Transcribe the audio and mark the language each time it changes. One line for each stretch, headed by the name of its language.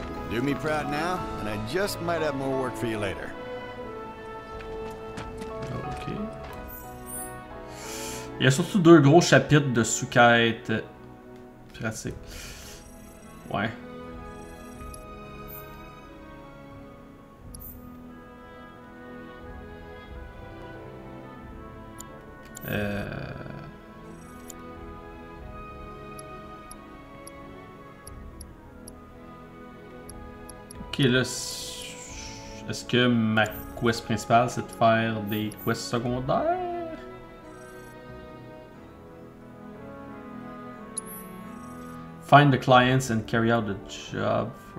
English: Do me proud now, and I just might have more work for you later. Ok.
French: Il y a surtout deux gros chapitres de sous-quête pratique. Ouais. Ok, là, est-ce que ma quest principale c'est de faire des quests secondaires?
English: Find the clients and carry out the job.